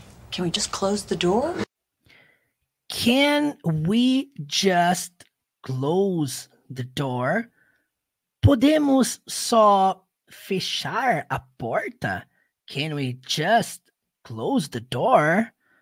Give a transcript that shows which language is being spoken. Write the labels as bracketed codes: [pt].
[en] Can we just close the door? Can we just close the door? [pt] Podemos só fechar a porta? [en] Can we just close the door?